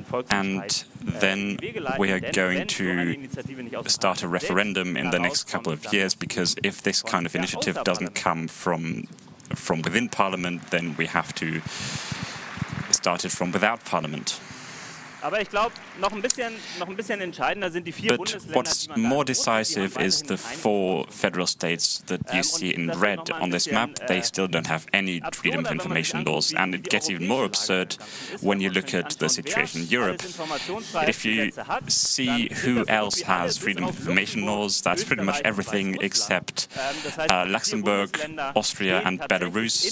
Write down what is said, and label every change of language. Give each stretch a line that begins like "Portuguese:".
English: And then we are going to start a referendum in the next couple of years, because if this kind of initiative doesn't come from within Parliament, then we have to start it from without Parliament.
German: Aber ich glaube, noch ein bisschen entscheidender sind die vier
English: but
German: Bundesländer.
English: What's more decisive is the four federal states that you see in red on this map. They still don't have any freedom of information laws, and it gets even more absurd when you look at the situation in Europe. If you see who else has freedom of information laws, that's pretty much everything except Luxembourg, Austria, and Belarus.